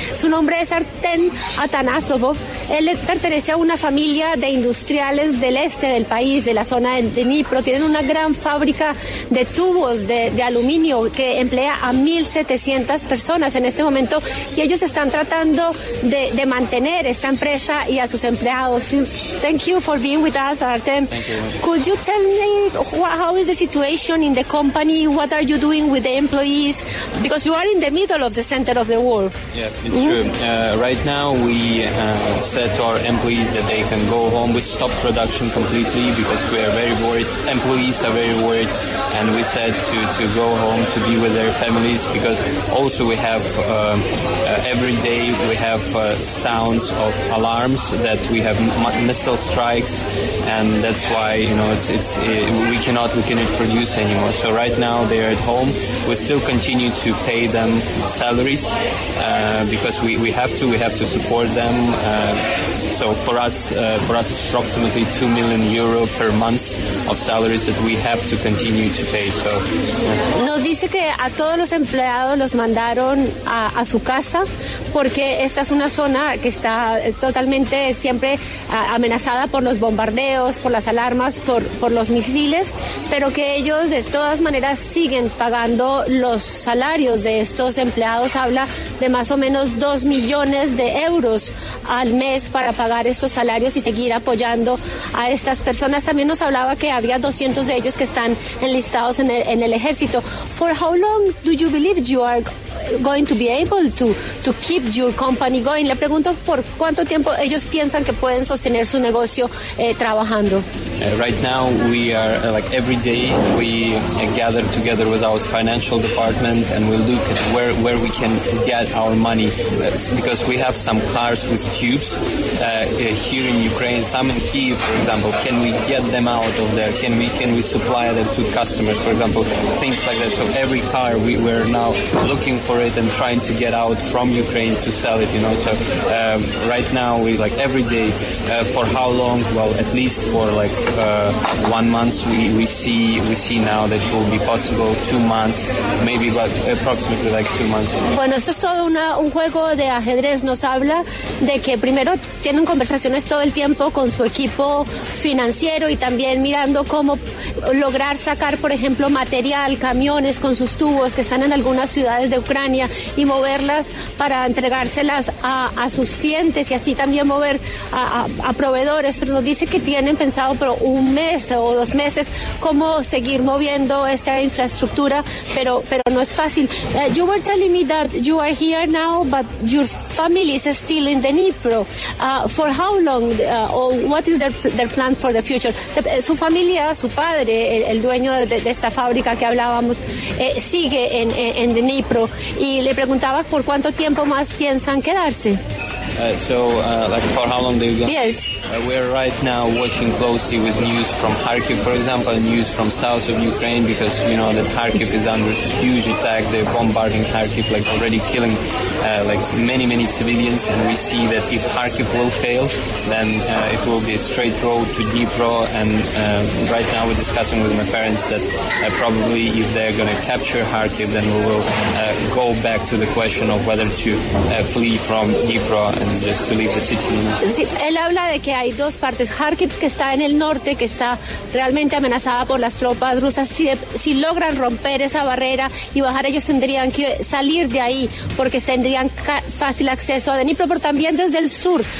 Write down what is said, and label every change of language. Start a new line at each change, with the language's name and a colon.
Spanish: Su nombre es Artem Atanasov. Él pertenece a una familia de industriales del este del país, de la zona de Dnipro. Tienen una gran fábrica de tubos de aluminio que emplea a 1.700 personas en este momento, y ellos están tratando de mantener esta empresa y a sus empleados.
English: Thank you for being with us, Artem. Could you tell me how is the situation in the company? What are you doing with the employees? Because you are in the middle of the center of the war. Yeah, it's true. Right now we said to our employees that they can go home. We stopped production completely because we are very worried. Employees are very worried, and we said to go home to be with their families, because also we have every day we have sounds of alarms that we have missile strikes, and that's why, you know, we cannot produce anymore. So right now they are at home. We still continue to pay them salaries because we have to support them. So for us, it's approximately 2 million euro per month of salaries that we have to continue to pay. So,
Spanish: Nos dice que a todos los empleados los mandaron a su casa, porque esta es una zona que está totalmente siempre amenazada por los bombardeos, por las alarmas, por los misiles, pero que ellos de todas maneras siguen pagando los salarios de estos empleados. Habla de más o menos 2 millones de euros al mes para pagar estos salarios y seguir apoyando a estas personas. También nos hablaba que había 200 de ellos que están enlistados en el ejército.
English: For how long do you believe you are going to be able to keep your company going?
Spanish: Le pregunto por cuánto tiempo ellos piensan que pueden sostener su negocio trabajando.
English: Right now we are like every day we gather together with our financial department and we look at where we can get our money, because we have some cars with tubes here in Ukraine, some in Kyiv, for example. Can we get them out of there? Can we supply them to customers, for example, things like that. So every car we're now looking for it and trying to get out from Ukraine to sell it, you know. So right now we like every day for how long? Well, at least for like 1 month. We see now that it will be possible. 2 months, maybe, but approximately like 2 months.
Spanish: Bueno, esto es todo un juego de ajedrez. Nos habla de que primero tienen conversaciones todo el tiempo con su equipo financiero y también mirando cómo lograr sacar, por ejemplo, material, camiones con sus tubos que están en algunas ciudades de Ucrania y moverlas para entregárselas a sus clientes y así también mover a proveedores. Pero nos dice que tienen pensado por un mes o dos meses cómo seguir moviendo esta infraestructura, pero no es fácil.
English: You were telling me that you are here now, but your family is still in Dnipro. For how long or what is their plan for the future?
Spanish: Su familia, su padre, el dueño de esta fábrica que hablábamos, sigue en Dnipro. Y le preguntaba por cuánto tiempo más piensan quedarse.
English: For how long they've gone? Yes. We're right now watching closely with news from Kharkiv, for example, news from south of Ukraine, because you know that Kharkiv is under huge attack. They're bombarding Kharkiv, like already killing many civilians. And we see that if Kharkiv will fail, then it will be a straight road to Dnipro. And right now we're discussing with my parents that probably if they're going to capture Kharkiv, then we will go back to the question of whether to flee from Dnipro.
Spanish: Sí, él habla de que hay dos partes. Kharkiv, que está en el norte, que está realmente amenazada por las tropas rusas. Si logran romper esa barrera y bajar, ellos tendrían que salir de ahí porque tendrían fácil acceso a Dnipro, pero también desde el sur.